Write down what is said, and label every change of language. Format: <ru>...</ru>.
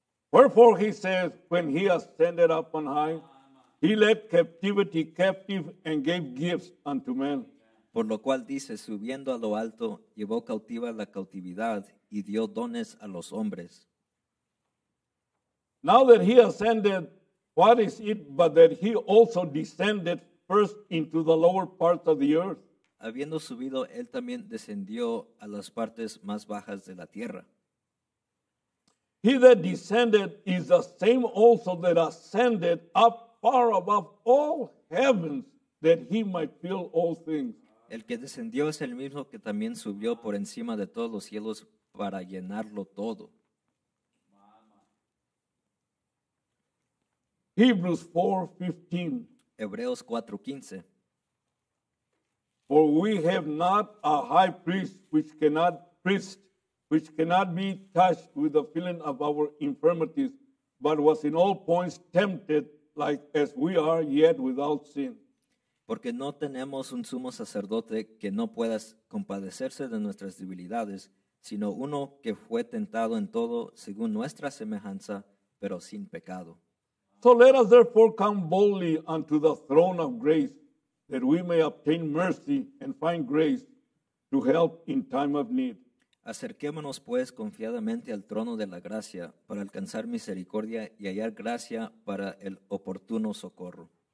<en>Wherefore he says, when he ascended up on high, he led captivity captive and gave gifts unto men.</en> <es>Por lo cual dice, subiendo a lo alto, llevó cautiva la cautividad y dio dones a los hombres.</es> <en>Now that he ascended, what is it but that he also descended first into the lower parts of the earth?</en> <es>Habiendo subido, él también descendió a las partes más bajas de la tierra.</es> <en>He that descended is the same also that ascended up far above all heavens, that he might fill all things.</en> <es>El que descendió es el mismo que también subió por encima de todos los cielos para llenarlo todo.</es> <en>Hebrews 4:15.</en> <es>Hebreos 4:15.</es> <en>For we have not a high priest which cannot be touched with the feeling of our infirmities, but was in all points tempted like as we are, yet without sin.</en> <es>Porque no tenemos un sumo sacerdote que no pueda compadecerse de nuestras debilidades, sino uno que fue tentado en todo según nuestra semejanza, pero sin pecado.</es> <en>So let us therefore come boldly unto the throne of grace, that we may obtain mercy and find grace to help in time of need.</en> <es>Acerquémonos pues confiadamente al trono de la gracia para alcanzar misericordia y hallar gracia para el oportuno socorro.</es>